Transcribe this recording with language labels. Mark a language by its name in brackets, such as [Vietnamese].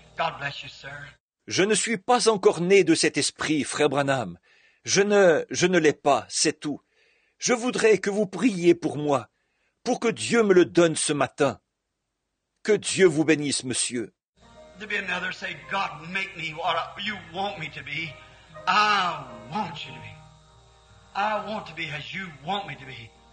[English] God bless you, sir. [French] Je ne suis pas encore né de cet esprit, frère Branham. Je ne l'ai pas, c'est tout. Je voudrais que vous priez pour moi, pour que Dieu me le donne ce matin. Que Dieu vous bénisse, monsieur. [English] There'll be another say, God, make me what you want me to be. I want you to be. I want to be as you want me to be.